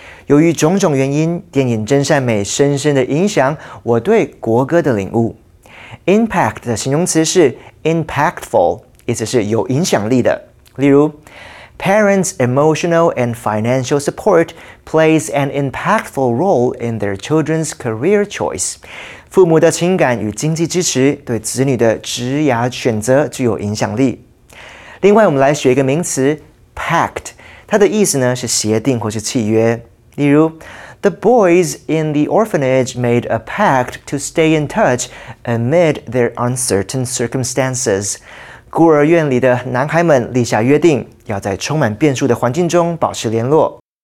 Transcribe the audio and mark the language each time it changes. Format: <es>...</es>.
<zh>由于种种原因，电影《真善美》深深地影响我对国歌的领悟。 Impact 的形容词是 impactful， 意思是有影响力的。例如</zh> <en>，Parents' emotional and financial support plays an impactful role in their children's career choice。</en> <zh>父母的情感与经济支持对子女的职涯选择具有影响力。另外，我们来学一个名词 ，pact， 它的意思呢是协定或是契约。例如</zh> <en>，The boys in the orphanage made a pact to stay in touch amid their uncertain circumstances。</en> <zh>孤儿院里的男孩们立下约定，要在充满变数的环境中保持联络。</zh>